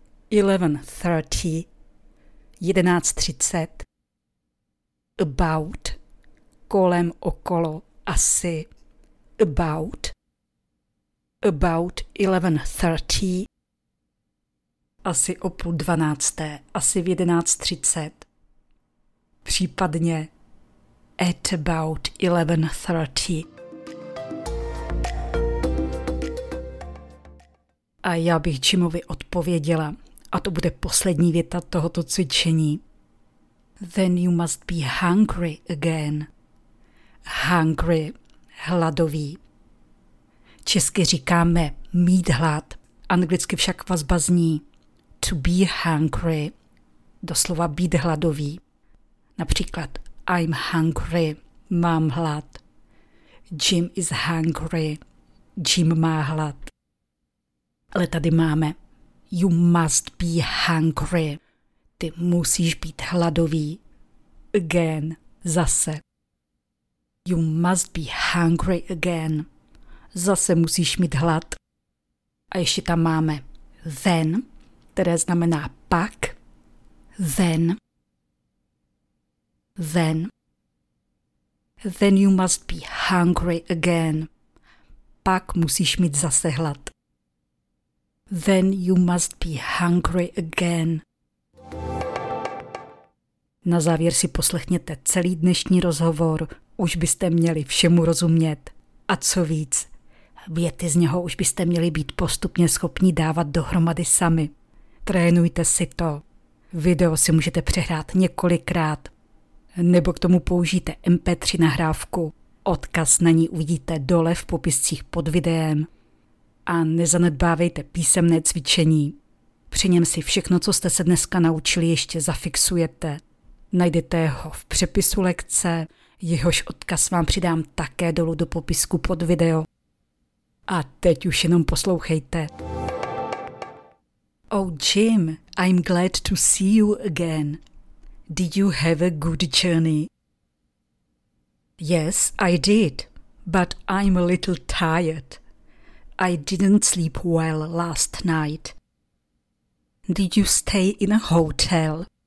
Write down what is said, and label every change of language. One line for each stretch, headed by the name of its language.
Czech: 11:30, 11:30, about, kolem, okolo, asi,
English: about 11:30,
Czech: asi o půl dvanácté, asi v 11:30, případně
English: at about 11:30.
Czech: A já bych Jimovi odpověděla, a to bude poslední věta tohoto cvičení.
English: Then you must be hungry again.
Czech: Hungry, hladový. Česky říkáme mít hlad, anglicky však vazba zní
English: to be hungry,
Czech: doslova být hladový. Například
English: I'm hungry,
Czech: mám hlad.
English: Jim is hungry, Jim
Czech: má hlad. Ale tady máme
English: you must be hungry.
Czech: Ty musíš být hladový. Again. Zase.
English: You must be hungry again.
Czech: Zase musíš mít hlad. A ještě tam máme then, které znamená pak.
English: Then. Then. Then you must be hungry again.
Czech: Pak musíš mít zase hlad.
English: Then you must be hungry again.
Czech: Na závěr si poslechněte celý dnešní rozhovor, už byste měli všemu rozumět. A co víc, věty z něho už byste měli být postupně schopni dávat dohromady sami. Trénujte si to. Video si můžete přehrát několikrát. Nebo k tomu použijte MP3 nahrávku. Odkaz na ní uvidíte dole v popiscích pod videem. A nezanedbávejte písemné cvičení. Při něm si všechno, co jste se dneska naučili, ještě zafixujete. Najdete ho v přepisu lekce, jehož odkaz vám přidám také dolů do popisku pod video. A teď už jenom poslouchejte.
English: Oh Jim, I'm glad to see you again. Did you have a good journey? Yes, I did, but I'm a little tired. I didn't sleep well last night. Did you stay in a hotel?